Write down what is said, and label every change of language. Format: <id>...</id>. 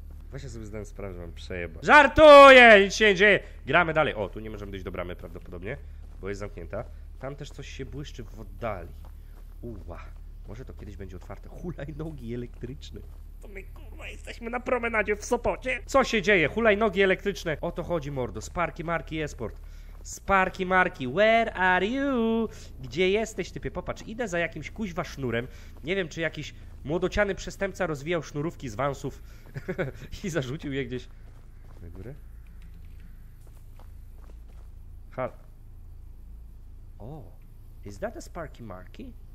<pl>Właśnie sobie zdałem sprawę, że mam przejeba. Żartuję! Nic się nie dzieje! Gramy dalej. O, tu nie możemy dojść do bramy prawdopodobnie, bo jest zamknięta. Tam też coś się błyszczy w oddali. Uła. Może to kiedyś będzie otwarte. Hulajnogi elektryczne. To my, kurwa, jesteśmy na promenadzie w Sopocie. Co się dzieje? Hulajnogi elektryczne. O to chodzi, mordo. Sparky Marki eSport.</pl> <en>Sparky Marki, where are you?</en> <pl>Gdzie jesteś, typie? Popatrz, idę za jakimś kuźwa sznurem. Nie wiem, czy jakiś młodociany przestępca rozwijał sznurówki z Vansów i zarzucił je gdzieś na górę.</pl> <en>Halo. O, is that a Sparky Marki?</en>